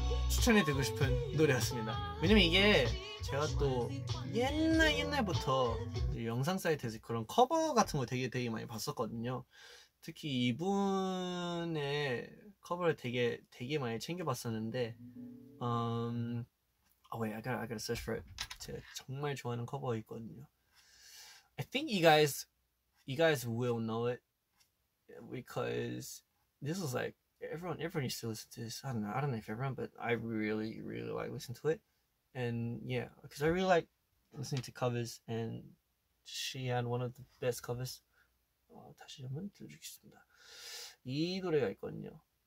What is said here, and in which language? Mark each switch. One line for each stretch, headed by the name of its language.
Korean: 추천해드리고 싶은 노래였습니다. 왜냐면 이게 제가 또 옛날부터 영상 사이트에서 그런 커버 같은 거 되게 많이 봤었거든요. 특히 이분의 커버를 되게 많이 챙겨봤었는데
English: I gotta search for it.
Korean: 제가 정말 좋아하는 커버 있거든요.
English: I think you guys will know it because this was like Everyone used to listen to this. I don't know if everyone, but I really, really like listening to it. And yeah, because I really like listening to covers, and she had one of the best covers.
Korean: 다시 한번 들려주겠습니다. 이 노래가 있거든요.